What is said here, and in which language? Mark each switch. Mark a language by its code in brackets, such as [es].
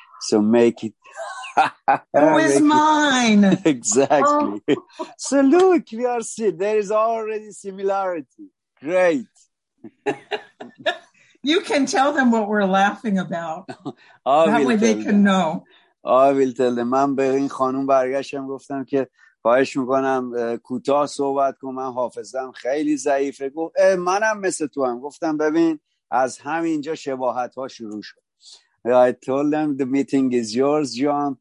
[en] So make it... Who is mine? Exactly. Oh. So look, we are seeing there is already similarity. Great. You can tell them what we're laughing about. That way they can know. I will tell them. [fa] من به این خانم برگشتم گفتم که خواهش میکنم کوتاه صحبت کن، من حافظم خیلی ضعیفه. گفت منم مثل تو هم. گفتم ببین از همینجا شباهت ها شروع شد. [en] I told them the meeting is yours, John.